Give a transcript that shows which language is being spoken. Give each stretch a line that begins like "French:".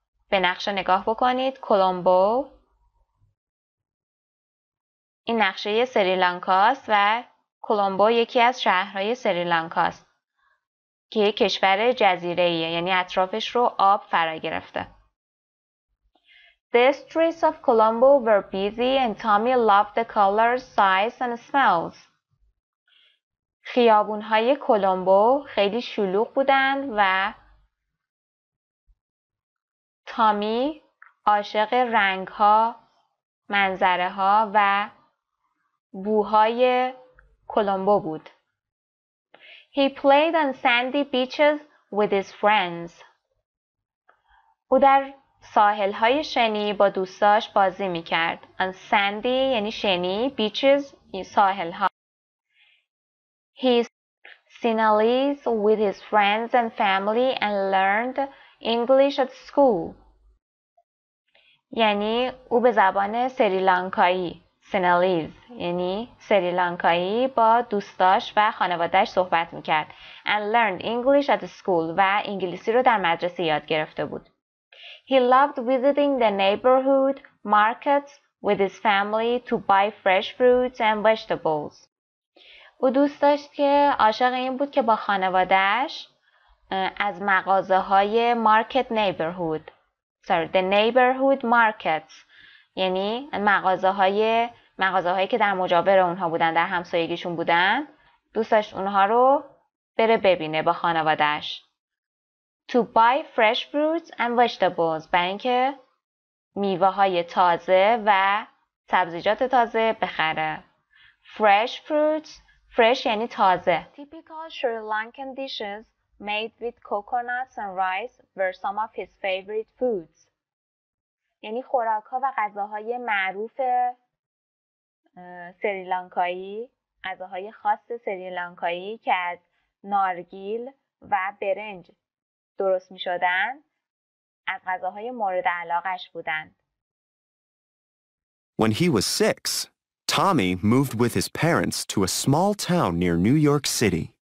Persian: به نقشه نگاه بکنید. کولومبو. این نقشه سریلانکا است و کولومبو یکی از شهرهای سریلانکا است که یک کشور جزیره‌ایه، یعنی اطرافش رو آب فرا گرفته.
English: The streets of Colombo were busy and Tommy loved the colors, sights and smells.
Persian: خیابون‌های کولومبو خیلی شلوغ بودند و تامی عاشق رنگ‌ها، منظره‌ها و بوهای کولومبو بود.
English: He played on sandy beaches with his friends.
Persian: او در ساحل‌های شنی با دوستاش بازی می‌کرد. On sandy یعنی شنی، beaches یعنی ساحل‌ها.
English: He spoke Sinhalese with his friends and family and learned English at school.
Persian: یعنی او به زبان سریلانکایی، Sinhalese یعنی سریلانکایی، با دوستاش و خانوادهش صحبت میکرد.
English: And learned English at school
Persian: و انگلیسی رو در مدرسه یاد گرفته بود.
English: He loved visiting the neighborhood markets with his family to buy fresh fruits and vegetables.
Persian: او دوست داشت که عاشق این بود که با خانوادهش از مغازه های مارکت نیبرهود the neighborhood markets یعنی مغازه هایی که در مجاور اونها بودن، در همسایگیشون بودن، دوست داشت اونها رو بره ببینه با خانوادهش.
English: To buy fresh fruits and vegetables.
Persian: برای اینکه میوه های تازه و سبزیجات تازه بخره.
English: Fresh fruits. Fresh
Persian: یعنی تازه.
English: Typical Sri Lankan dishes made with coconuts and rice were some of his favorite foods.
Persian: یعنی خوراک ها و غذاهای معروف سریلانکایی، غذاهای خاص سریلانکایی که از نارگیل و برنج درست می شدن از غذاهای مورد علاقش بودند.
English: When he was six, Tommy moved with his parents to a small town near New York City.